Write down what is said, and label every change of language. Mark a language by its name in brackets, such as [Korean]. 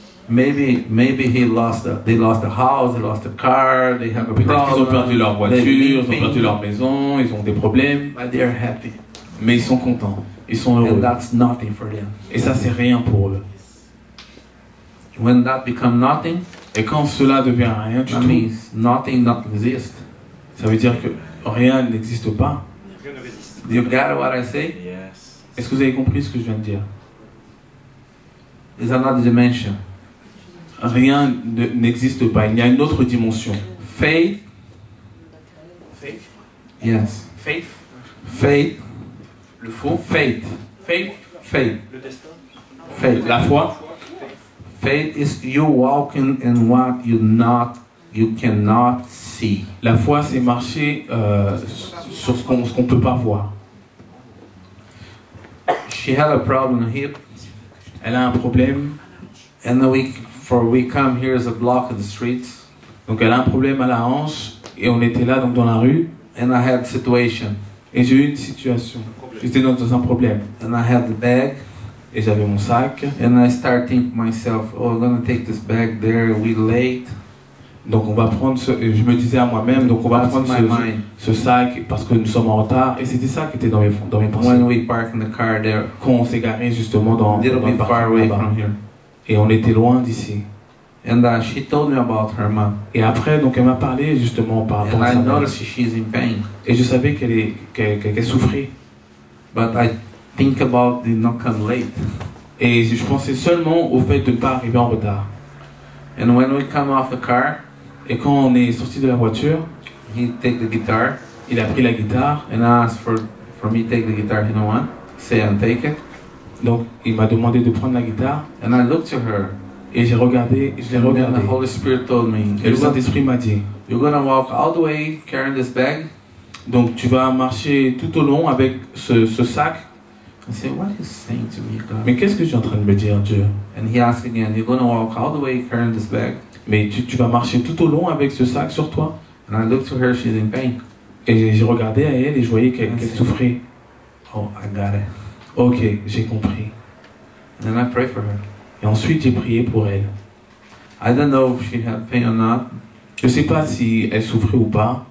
[English] Maybe he lost the, they lost the house, they lost the car, they have a [French] peut-être [English] problem. [French] Peut-être qu'ils ont perdu leur voiture, ils ont perdu leur maison, ils ont des problèmes. [English] But they are happy. [French] Mais ils sont contents, ils sont heureux. [English] And that's nothing for them. [French] Et ça c'est rien pour eux. [English] When that become nothing, [French] et quand cela devient rien du [English] that [French] tout, [English] means nothing not exist. [French] Ça veut dire que rien n'existe pas. [English] Do you get what I say? Yes. [French] Est-ce que vous avez compris ce que je viens de dire? [English] Is another dimension. [French] Rien n'existe pas. Il y a une autre dimension. [English] Faith. Faith. Yes. Faith. Faith. [French] Le faux. [English] Faith. Faith. Faith. [French] Le destin. [English] Faith. [French] La foi. [English] Faith is you walking in what you cannot see. [French] La foi, c'est marcher sur ce qu'on peut pas voir. [English] She had a problem here. [French] Elle a un problème. [English] And then for we come here as a block of the streets. [French] Donc elle a un problème à la hanche et on était là donc dans la rue. [English] And I had a situation. [French] Et j'ai eu une situation. J'étais dans un problème. [English] And I had the bag. [French] Et j'avais mon sac. [English] And I start thinking myself, oh, I'm gonna take this bag there. We late. [French] Donc on va prendre ce. Je me disais à moi-même, donc on va [English] that's [French] prendre ce sac parce que nous sommes en retard. Et c'était ça qui était dans mes pensées. [English] When we park in the car there. [French] Quand on s'est garé justement dans. [English] A little bit far away là-bas. From here. [French] Et on était loin d'ici. [English] And she told me about her mom. [French] Et après, donc, elle m'a parlé justement par rapport [English] and [French] à [English] I [French] sa mère. [English] Noticed she's in pain. [French] Et je savais qu'elle souffrait. [English] But I think about the not come late. [French] Et je pensais seulement au fait de ne pas arriver en retard. [English] And when we come off the car, [French] et quand on est sorti de la voiture, [English] he take the guitar, [French] il a pris la guitare. [English] And asked for me to take the guitar, you know what? Say and take it. [French] Donc il m'a demandé de prendre la guitare. [English] And I looked to her. [French] Et j'ai regardé, je l'ai regardé. [English] The Holy Spirit told me, [French] et le Saint-Esprit m'a dit, [English] you're gonna walk all the way carrying this bag. [French] Donc tu vas marcher tout au long avec ce sac. [English] I said, what are you saying to me, God? [French] Mais qu'est-ce que tu es en train de me dire, Dieu? [English] And he asked again, you're gonna walk all the way carrying this bag. [French] Mais tu vas marcher tout au long avec ce sac sur toi. [English] And I looked to her, she's in pain. [French] Et j'ai regardé à elle et je voyais qu'elle souffrait. [English] Oh, I got it. [French] Ok, j'ai compris. [English] And then I pray for her. [French] Et ensuite j'ai prié pour elle. [English] I don't know if she had pain or not. [French] Je sais pas si elle souffrait ou pas.